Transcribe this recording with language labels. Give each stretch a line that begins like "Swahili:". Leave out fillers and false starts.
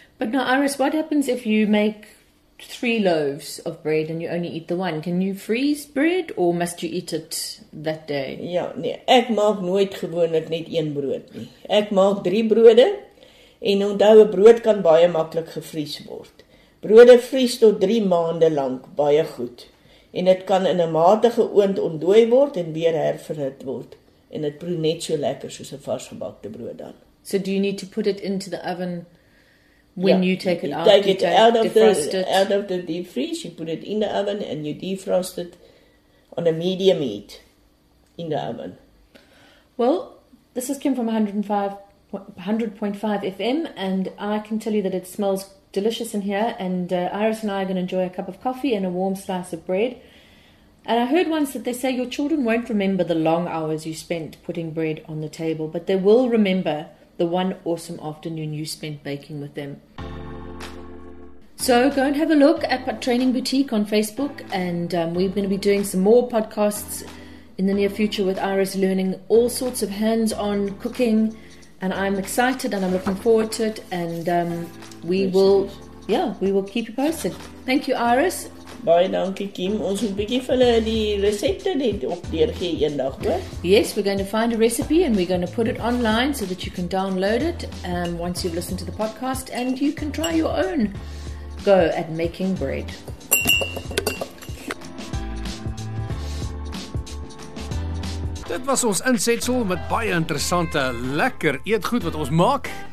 English: But now, Iris, what happens if you make 3 loaves of bread and you only eat the one? Can you freeze bread or must you eat it that day?
Afrikaans: Ja, nee, ek maak nooit gewoonlik net 1 brood nie. Ek maak 3 brode en onthou, brood kan baie maklik gevries word. Brode vries tot 3 maande lang baie goed en het kan in 'n matige oond ontdooi word en weer herverhit word en het proe net so lekker soos 'n varsgebakte brood dan.
English: So do you need to put it into the oven? When you take it out, out of the deep freeze, you put it in the oven and you defrost it on a medium heat in the oven. Well, this is Kim from 100.5 FM and I can tell you that it smells delicious in here and Iris and I are going to enjoy a cup of coffee and a warm slice of bread. And I heard once that they say your children won't remember the long hours you spent putting bread on the table, but they will remember the one awesome afternoon you spent baking with them. So go and have a look at Training Boutique on Facebook, and we're going to be doing some more podcasts in the near future with Iris, learning all sorts of hands-on cooking, and I'm excited and I'm looking forward to it, and we will keep you posted. Thank you, Iris.
Afrikaans: Baie dankie, Kim. Ons moet bietjie vir hulle die resepte net opdeur gee eendag, hoor.
English: Yes, we're going to find a recipe and we're going to put it online so that you can download it once you've listened to the podcast and you can try your own go at making bread.
Afrikaans: Dit was ons insetsel met baie interessante lekker eetgoed wat ons maak.